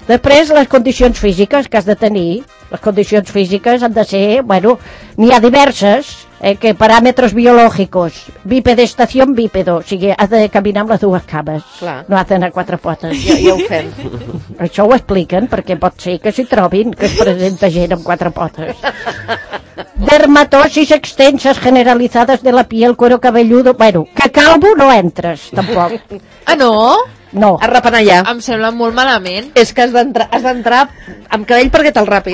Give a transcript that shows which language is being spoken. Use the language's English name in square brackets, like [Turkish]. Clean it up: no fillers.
[Catalan] Després, les condicions físiques que has de tenir, les condicions físiques han de ser, bueno, n'hi ha diverses, que paràmetres biològics, bipedestació en bípedo, o sigui, has de caminar amb les dues cames, clar. No has d'anar a quatre potes. Ja, ja ho fem. Això ho expliquen, perquè pot ser que s'hi trobin, que es presenta gent amb quatre potes. [Spanish] Dermatosis extensas generalizadas de la piel, cuero cabelludo, bueno, que calvo no entres, tampoc. [Catalan] Ah, no? No. A repanellar. Em sembla molt malament. És que has d'entrar amb cabell perquè te'l rapin.